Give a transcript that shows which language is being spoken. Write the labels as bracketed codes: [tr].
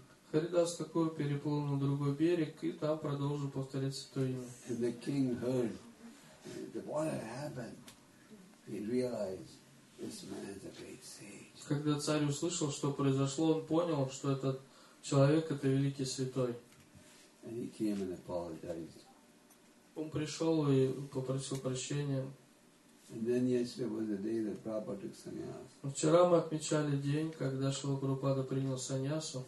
[ru] Харидас такой переплыл на другой берег и там продолжил повторять святое имя. [en] And the king heard what had happened. He realized this man is a great sage. [ru] Когда царь услышал, что произошло, он понял, что этот человек это великий святой. [en] And he came and apologized. [ru] Он пришел и попросил прощения. [en] And then yesterday was the day that Prabhupada took sannyas. [ru] Вчера мы отмечали день, когда Шрила Прабхупада принял саньясу.